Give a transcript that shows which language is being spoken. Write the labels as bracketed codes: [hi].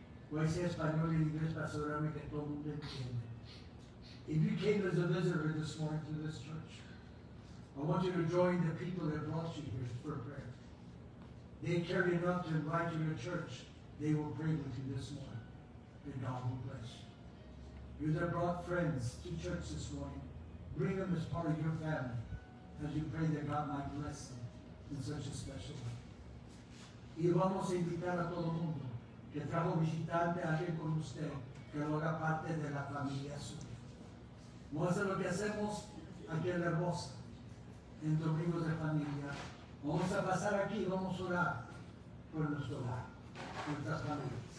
[es] Voy a decir español e inglés para asegurarme que todo el mundo entiende. [en] If you came as a visitor this morning to this church, I want you to join the people that brought you here for prayer. They care enough to invite you to church. They will pray with you this morning. And God will bless you. You that brought friends to church this morning, bring them as part of your family as you pray that God might bless them in such a special way. [es] Y vamos a invitar a todo mundo que trajo visitante a alguien con usted que lo haga parte de la familia suya. Vamos a hacer lo que hacemos aquí en la Hermosa, en domingos de familia. Vamos a pasar aquí, vamos a orar por nuestro hogar, nuestras familias.